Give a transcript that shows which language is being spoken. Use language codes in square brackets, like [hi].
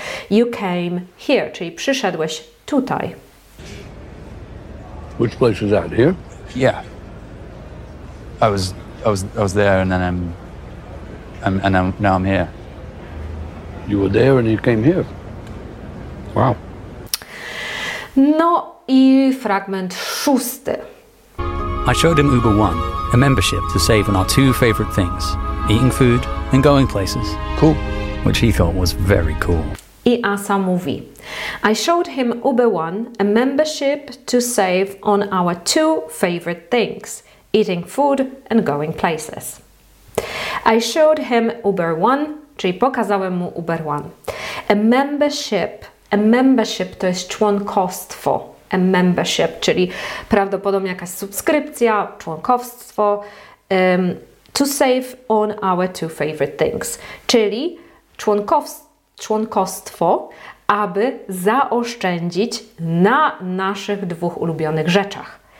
[en] You came here, [pl] czyli przyszedłeś tutaj. [en] Which place is that, here? Yeah. I was there and then I'm here. You were there and you came here. Wow. [pl] No i fragment szósty. [en] I showed him Uber One, a membership to save on our two favorite things, eating food and going places. Cool. Which he thought was very cool. [pl] I Asa mówi, [en] I showed him Uber One, a membership to save on our two favorite things, eating food and going places. I showed him Uber One, [pl] czyli pokazałem mu [en] Uber One. [pl] A membership to jest członkostwo. A membership, czyli prawdopodobnie jakaś subskrypcja, członkostwo. [en] To save on our two favorite things, [pl] czyli członkostwo, aby zaoszczędzić na naszych dwóch ulubionych rzeczach.